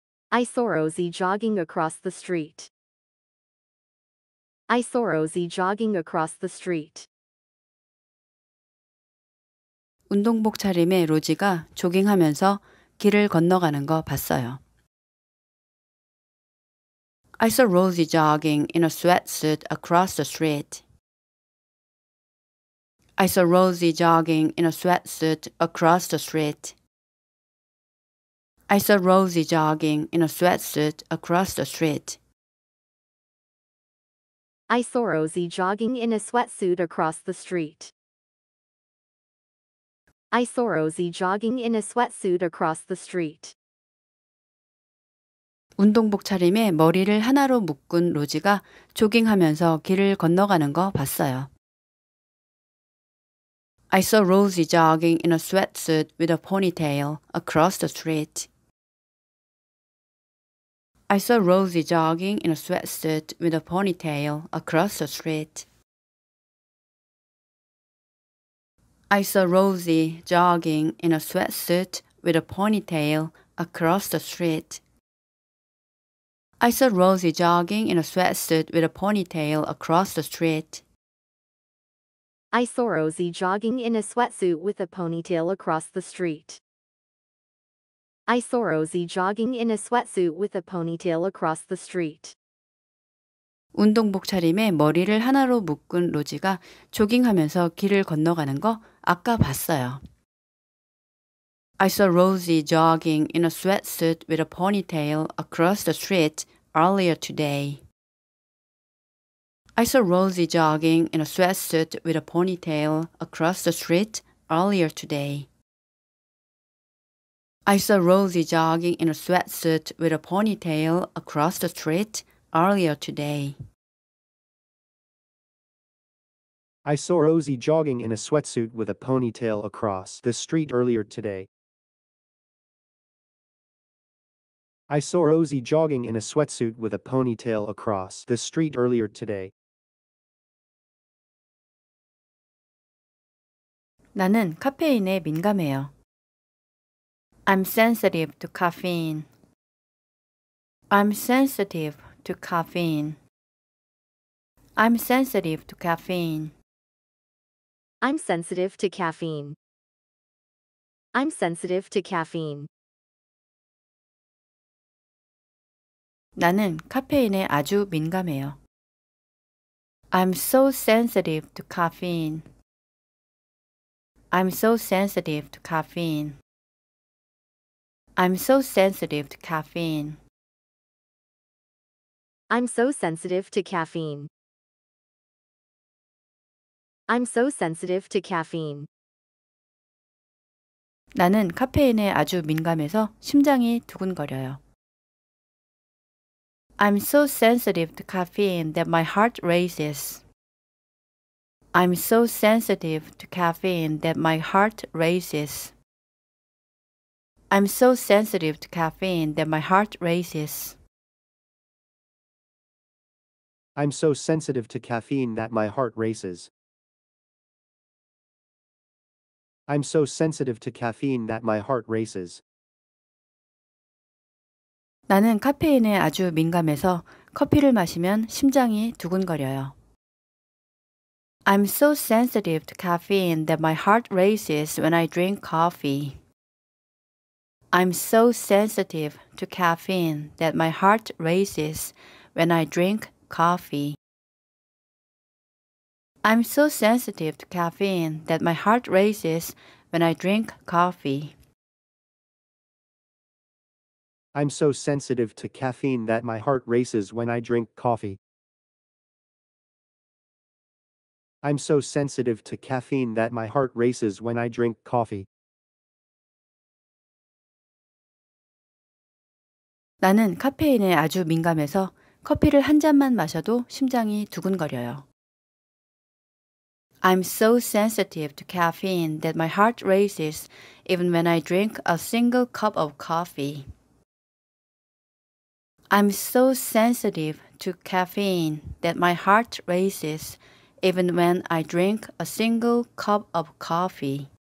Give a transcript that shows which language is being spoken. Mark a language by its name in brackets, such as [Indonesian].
[English] I saw Rosie jogging across the street. I saw Rosie jogging across the street. [Korean] 운동복 차림의 로지가 조깅하면서 길을 건너가는 거 봤어요. [English] I saw Rosie jogging in a sweatsuit across the street. I saw Rosie jogging in a sweatsuit across the street. I saw Rosie jogging in a sweatsuit across the street. I saw Rosie jogging in a sweatsuit across the street. I saw Rosie jogging in a sweatsuit across the street. [Korean] 운동복 차림에 머리를 하나로 묶은 로지가 조깅하면서 길을 건너가는 거 봤어요. [English] I saw Rosie jogging in a sweatsuit with a ponytail across the street. I saw Rosie jogging in a sweatsuit with a ponytail across the street. I saw Rosie jogging in a sweatsuit with a ponytail across the street. I saw Rosie jogging in a sweatsuit with a ponytail across the street. I saw Rosie jogging in a sweatsuit with a ponytail across the street. I saw Rosie jogging in a sweatsuit with a ponytail across the street. [Korean] 운동복 차림에 머리를 하나로 묶은 로지가 조깅하면서 길을 건너가는 거 아까 봤어요. [English] I saw Rosie jogging in a sweatsuit with a ponytail across the street earlier today. I saw Rosie jogging in a sweatsuit with a ponytail across the street earlier today. I saw Rosie jogging in a sweatsuit with a ponytail across the street earlier today. I saw Rosie jogging in a sweatsuit with a ponytail across the street earlier today. I saw Rosie jogging in a sweatsuit with a ponytail across the street earlier today. [Korean] 나는 카페인에 민감해요. [English] I'm sensitive to caffeine. I'm sensitive to caffeine. I'm sensitive to caffeine. I'm sensitive to caffeine. I'm sensitive to caffeine. [Korean] 나는 카페인에 아주 민감해요. [English] I'm so sensitive to caffeine. I'm so sensitive to caffeine. I'm so sensitive to caffeine. I'm so sensitive to caffeine. I'm so sensitive to caffeine. [Korean] 나는 카페인에 아주 민감해서 심장이 두근거려요. [English] I'm so sensitive to caffeine that my heart races. I'm so sensitive to caffeine that my heart races. I'm so sensitive to caffeine that my heart races. I'm so sensitive to caffeine that my heart races. I'm so sensitive to caffeine that my heart races. [Korean] 나는 카페인에 아주 민감해서 커피를 마시면 심장이 두근거려요. [English] I'm so sensitive to caffeine that my heart races when I drink coffee. I'm so sensitive to caffeine that my heart races when I drink coffee. I'm so sensitive to caffeine that my heart races when I drink coffee. I'm so sensitive to caffeine that my heart races when I drink coffee. I'm so sensitive to caffeine that my heart races when I drink coffee. [Korean] 나는 카페인에 아주 민감해서 커피를 한 잔만 마셔도 심장이 두근거려요. [English] I'm so sensitive to caffeine that my heart races even when I drink a single cup of coffee. I'm so sensitive to caffeine that my heart races even when I drink a single cup of coffee.